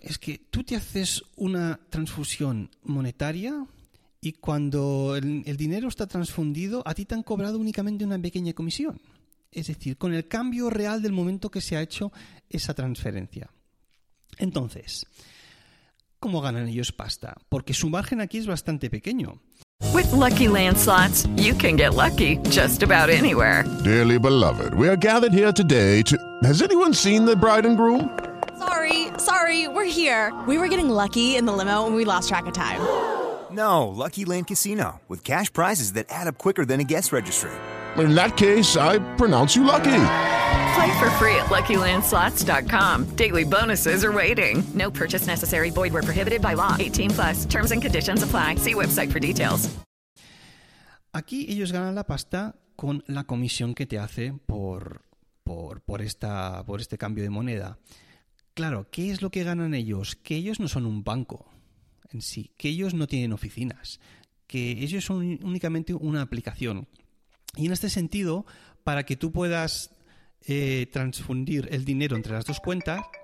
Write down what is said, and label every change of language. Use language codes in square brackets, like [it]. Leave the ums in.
[es] Es que tú te haces una transfusión monetaria y cuando el, el dinero está transfundido, a ti te han cobrado únicamente una pequeña comisión. Es decir, con el cambio real del momento que se ha hecho esa transferencia. Entonces, ¿cómo ganan ellos pasta? Porque su margen aquí es bastante pequeño. [en] With Lucky Land slots, you can get lucky just about anywhere. Dearly beloved, we are gathered here today to. Has anyone seen the bride and groom? Sorry, sorry, we're here. We were getting lucky in the limo and we lost track of time. No, Lucky Land Casino, with cash prizes that add up quicker than a guest registry. In that case, I pronounce you lucky. Play for free at LuckyLandSlots.com. Daily bonuses are waiting. No purchase necessary. Void were prohibited by law. 18 plus. Terms and conditions apply. See website for details. [es] Aquí ellos ganan la pasta con la comisión que te hace por, por, por esta, por este cambio de moneda. Claro, ¿qué es lo que ganan ellos? Que ellos no son un banco en sí, que ellos no tienen oficinas, que ellos son únicamente una aplicación. Y en este sentido, para que tú puedas eh, transfundir el dinero entre las dos cuentas.